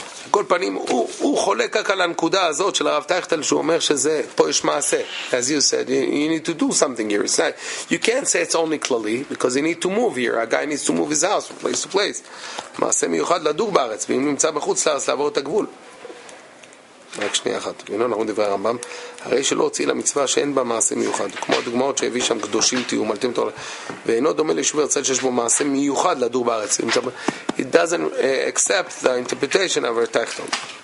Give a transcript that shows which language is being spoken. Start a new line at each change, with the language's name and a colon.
Hebrew: כל פנים, הוא חולק רק על הנקודה הזאת של הרב טייכטל, שהוא אומר שזה, פה יש מעשה.
English: As you said, you need to do something here. Not, you can't say it's only clearly, because you need to move here. A guy needs to move his house from place to place.
Hebrew: מעשה מיוחד לדור בארץ, ואם נמצא בחוץ לארץ לעבור את הגבול. רק שנייה אחת. אינו נכון דברי הרמב״ם. הרי שלא הוציא למצווה שאין בה מעשה מיוחד. כמו הדוגמאות שהביא שם קדושים תהיו, מלתים תורה. ואינו דומה ליישוב ארצל שיש בו מעשה מיוחד לדור בארץ.
English: It doesn't accept the interpretation of our tachton.